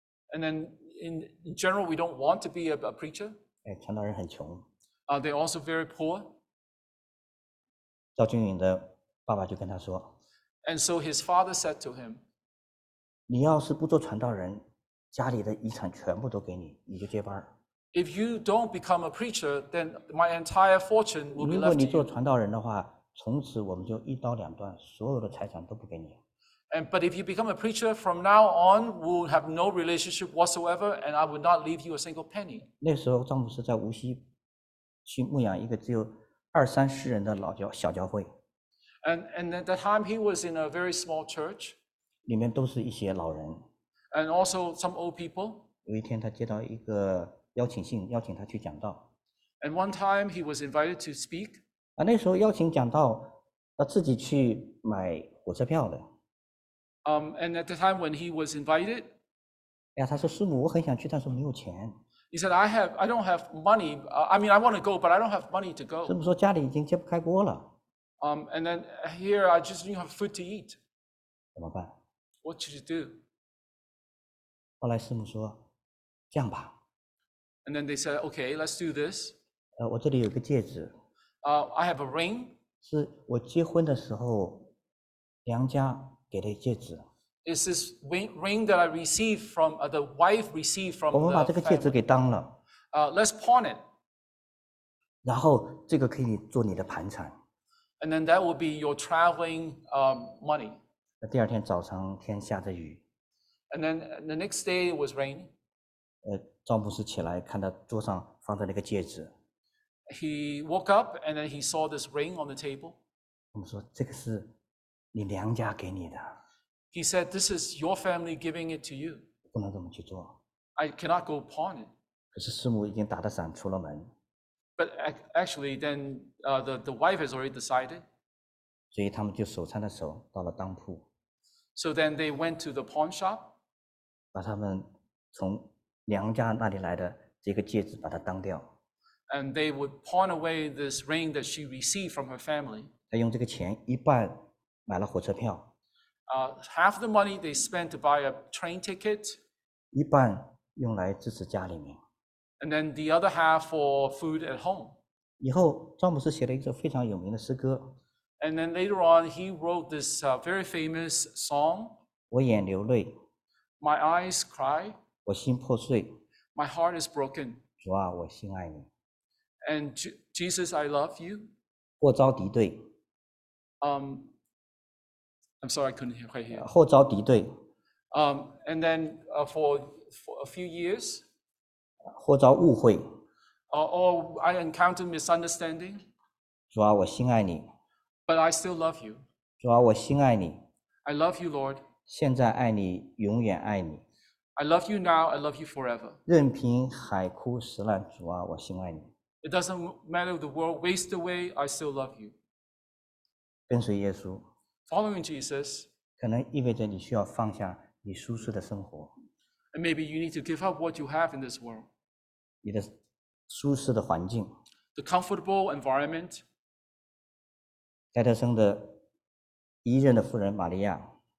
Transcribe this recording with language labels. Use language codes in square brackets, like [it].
[en] And then, in general, we don't want to be a preacher. [zh] 哎，传道人很穷。 [en] They're also very poor. [zh] 赵俊颖的爸爸就跟他说。 [en] And so his father said to him, [zh] 你要是不做传道人，家里的遗产全部都给你，你就接班。 [en] If you don't become a preacher, then my entire fortune will be left to you. [zh] 如果你做传道人的话，从此我们就一刀两断，所有的财产都不给你。 [en] But if you become a preacher, from now on, we'll have no relationship whatsoever, and I will not leave you a single penny. [zh] 那时候丈夫是在无锡去牧养一个只有二三十人的老教小教会。 [en] And at that time, he was in a very small church. [zh] 里面都是一些老人。 [en] And also some old people. [zh] 有一天他接到一个邀请信，邀请他去讲道。 [en] And one time he was invited to speak. [zh] 啊，那时候邀请讲道，要自己去买火车票的。 [en] And at the time when he was invited. [zh] 哎呀，他说师母，我很想去，但是没有钱。 [en] He said, I don't have money. I mean, I want to go, but I don't have money to go. [zh] 师母说家里已经揭不开锅了。 [en] And then here I just didn't have food to eat. [zh] 怎么办 [en] ？What should you do? [zh] 后来师母说，这样吧。 [en] And then they said, okay, let's do this. [zh] 我这里有个戒指。 [en] I have a ring. [zh] 是我结婚的时候娘家给的戒指。 [en] It's this ring that I received from, the wife received from the family. [zh] 我们把这个戒指给当了。 [en] Let's pawn it. [zh] 然后这个可以做你的盘缠。 [en] And then that will be your traveling money. [zh] 第二天早上天下着雨。 [en] And then the next day it was raining. [zh] 赵牧师起来看到桌上放着那个戒指。 [en] He woke up and then he saw this ring on the table. [zh] 我们说这个是你娘家给你的。 [en] He said, this is your family giving it to you. [zh] 不能这么去做。 [en] I cannot go pawn it. [zh] 可是师母已经打着伞出了门。 [en] But actually, then the wife has already decided. [zh] 所以他们就手搀着手到了当铺。 [en] So then they went to the pawn shop. [zh] 把他们从娘家那里来的这个戒指把它当掉。 [en] And they would pawn away this ring that she received from her family. [zh] 他用这个钱一半买了火车票。 [en] Half the money they spent to buy a train ticket. [zh] 一半用来支持家里面。 [en] And then the other half for food at home. [zh] 以后詹姆斯写了一首非常有名的诗歌。 [en] And then later on, he wrote this very famous song. [zh] 我眼流泪。 [en] My eyes cry. [zh] 我心破碎。 [en] My heart is broken. [zh] 主啊，我心爱你。 [en] And Jesus, I love you. [zh] 或遭敌对。 [en] I'm sorry, I couldn't hear quite here. [zh] 后遭敌对。 [en] And then for a few years. [zh] 或遭误会。 [en] Or I encountered misunderstanding. [zh] 主啊，我心爱你。 [en] But I still love you. [zh] 主啊，我心爱你。 [en] I love you, Lord. [zh] 现在爱你，永远爱你。 [en] I love you now. I love you forever. [zh] 任凭海枯石烂，主啊，我心爱你。 [en] It doesn't matter if the world wastes away. I still love you. [zh] 跟随耶稣。 [en] Following Jesus, [zh] 可能意味着你需要放下你舒适的生活。 [en] And maybe you need to give up what you have in this world. [zh] 你的舒适的环境。 [en] The comfortable environment. [zh] 戴德生的第一任的夫人玛利亚。